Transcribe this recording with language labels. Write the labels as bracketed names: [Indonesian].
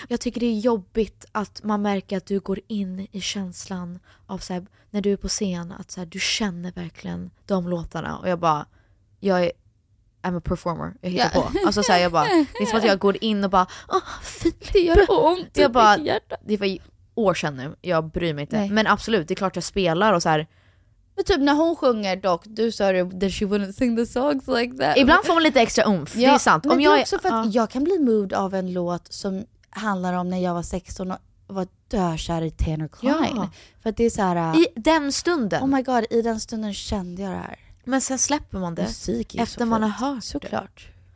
[Swedish] Jag tycker det är jobbigt att man märker att du går in i känslan av så här, när du är på scen, att så här, du känner verkligen de låtarna. Och jag bara, jag är [English] I'm a performer. [Swedish] Jag hittar på. Alltså så här, jag bara, det är som att jag går in och bara, fint, det gör ont. Jag bara, det var år sedan nu. Jag bryr mig inte. Nej. Men absolut, det är klart jag spelar och så här. Men typ när hon sjunger dock, du sa ju [English] that she wouldn't sing the songs like that. [Swedish] Ibland får man lite extra umf. Ja, det är sant. Men om jag, det är också för att jag kan bli moved av en låt som handlar om när jag var 16 och var dökär i Tanner Klein. Ja. För att det är så här, i den stunden. [English] Oh my god, [Swedish] i den stunden kände jag det här. Men sen släpper man det efter man har hört såklart.